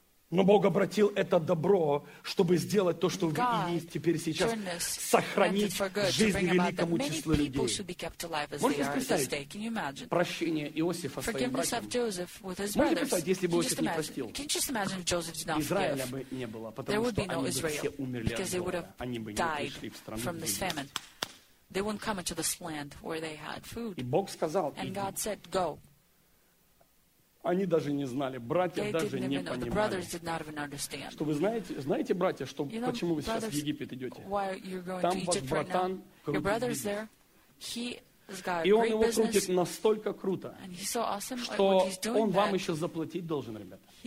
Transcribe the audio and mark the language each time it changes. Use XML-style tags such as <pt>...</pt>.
<ru>Но Бог обратил это добро, чтобы сделать то, что вы и есть теперь сейчас, сохранить жизнь великому числу людей. Можете представить прощение Иосифа своим братьям? Можете представить, если бы Иосиф не простил? Израиля бы не было, потому что они бы все умерли от голода. Они бы не пришли в страну, где они есть.</ru> <en>They wouldn't come into this land where they had food.</en> <ru>И Бог сказал им, они даже не знали, братья даже не понимали. Что вы знаете, знаете, братья, что,</ru> <en>you know,</en> <ru>почему вы сейчас</ru> <en>brothers,</en> <ru>в Египет идете? Там ваш братан крутит бизнес. И он его крутит настолько круто, что он вам еще заплатить должен, ребята.</ru>